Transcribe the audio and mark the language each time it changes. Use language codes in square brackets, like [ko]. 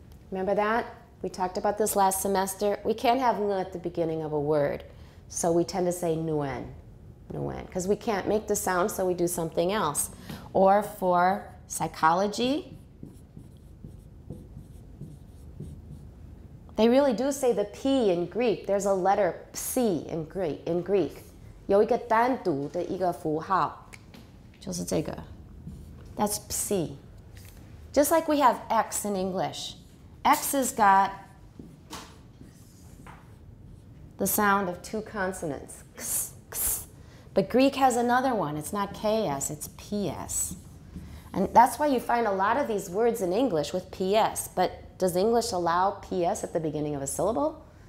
[en] Remember that? We talked about this last semester. We can't have ng at the beginning of a word, so we tend to say nguyen, nguyen, because we can't make the sound, so we do something else. Or for psychology, they really do say the P in Greek. There's a letter psi in Greek. [zh] 有一个单独的一个符号，就是这个。 [en] That's psi. Just like we have X in English. X has got the sound of two consonants. Ks, ks. But Greek has another one. It's not KS, it's PS. And that's why you find a lot of these words in English with PS, but does English allow PS at the beginning of a syllable?